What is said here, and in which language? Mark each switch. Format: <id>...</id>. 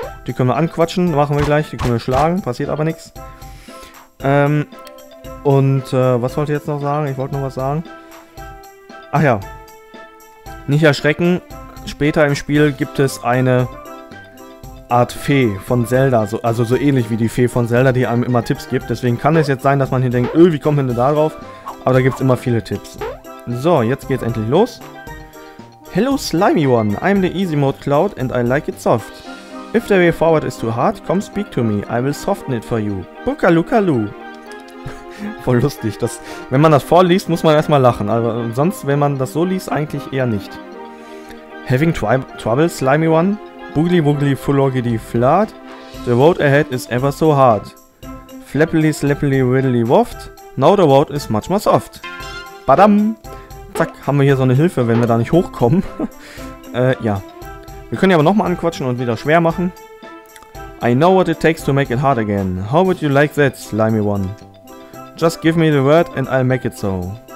<de>Die können wir anquatschen, machen wir gleich, die können wir schlagen, passiert aber nichts. Was wollte ich jetzt noch sagen? Ich wollte noch was sagen. Ach ja. Nicht erschrecken, später im Spiel gibt es eine Art Fee von Zelda, also so ähnlich wie die Fee von Zelda, die einem immer Tipps gibt. Deswegen kann es jetzt sein, dass man hier denkt, wie kommt denn da drauf? Aber da gibt es immer viele Tipps. So, jetzt geht's endlich los.</de> <en>Hello slimy one, I'm the easy mode cloud and I like it soft. If the way forward is too hard, come speak to me, I will soften it for you. Bookaloo-kaloo.</en> <de>Voll lustig, das, wenn man das vorliest, muss man erstmal lachen, aber sonst, wenn man das so liest, eigentlich eher nicht.</de> <en>Having trouble, slimy one? Boogly woogly fulogity flat. The road ahead is ever so hard. Flappily slappily riddly woft. Now the road is much more soft. Badam!</en> <de>Zack, haben wir hier so eine Hilfe, wenn wir da nicht hochkommen. ja. Wir können ja aber nochmal anquatschen und wieder schwer machen.</de> <en>I know what it takes to make it hard again. How would you like that, slimy one? Just give me the word and I'll make it so.</en>